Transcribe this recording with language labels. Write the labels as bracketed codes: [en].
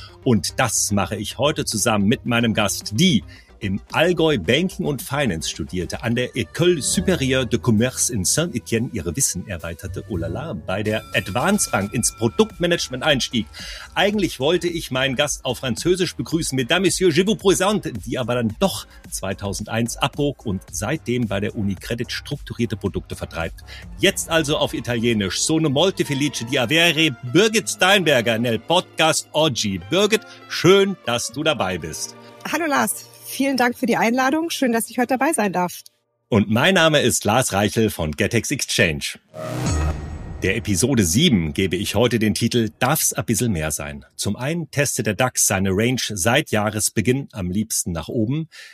[de] Und das mache ich heute zusammen mit meinem Gast, die im Allgäu Banking und Finance studierte, an der École Supérieure de Commerce in Saint-Étienne ihre Wissen erweiterte, oh la la, bei der Advance Bank ins Produktmanagement einstieg. Eigentlich wollte ich meinen Gast auf Französisch begrüßen, [fr] Mesdames, Messieurs, je vous présente, [de] die aber dann doch 2001 abbog und seitdem bei der UniCredit strukturierte Produkte vertreibt. Jetzt also auf Italienisch, [it] sono molto felice di avere Birgit Steinberger nel Podcast oggi. [de] Birgit, schön, dass du dabei bist. Hallo Lars. Vielen Dank für die Einladung. Schön, dass ich heute dabei sein darf. Und mein Name ist Lars Reichel von GetTex Exchange. Der Episode 7 gebe ich heute den Titel Darf's ein bisschen mehr sein? Zum einen testet der DAX seine Range seit Jahresbeginn am liebsten nach oben.